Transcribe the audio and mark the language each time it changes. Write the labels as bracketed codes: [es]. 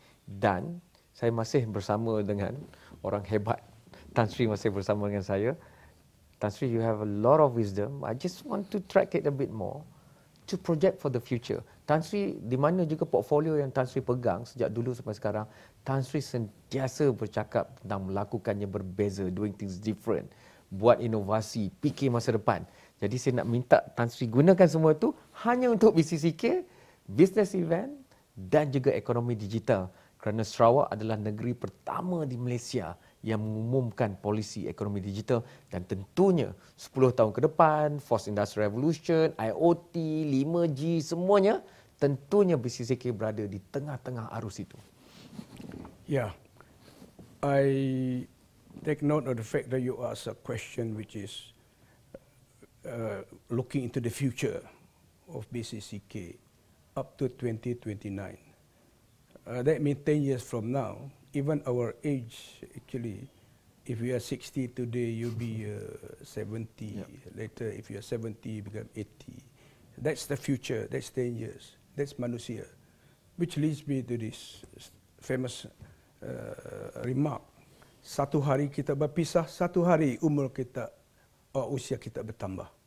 [ms] Dan saya masih bersama dengan orang hebat, Tan Sri masih bersama dengan saya. [en] Tan Sri, you have a lot of wisdom. I just want to track it a bit more to project for the future. [ms] Tan Sri, di mana juga portfolio yang Tan Sri pegang sejak dulu sampai sekarang, Tan Sri sentiasa bercakap tentang melakukannya berbeza, [en] doing things different, [ms] buat inovasi, fikir masa depan. Jadi saya nak minta Tan Sri gunakan semua itu hanya untuk BCCK, business event dan juga ekonomi digital. Kerana Sarawak adalah negeri pertama di Malaysia yang mengumumkan polisi ekonomi digital dan tentunya 10 tahun ke depan, Fourth Industrial Revolution, IoT, 5G, semuanya tentunya BCCK berada di tengah-tengah arus itu. Ya, yeah. [en] I take note of the fact that you ask a question which is looking into the future of BCCK up to 2029. That means 10 years from now, even our age, actually, if we are 60 today, you'll be 70. Yep. Later, if you're 70, you become 80. That's the future. That's 10 years. That's manusia. Which leads me to this famous remark. [ms] Satu hari kita berpisah, satu hari umur kita, usia kita bertambah.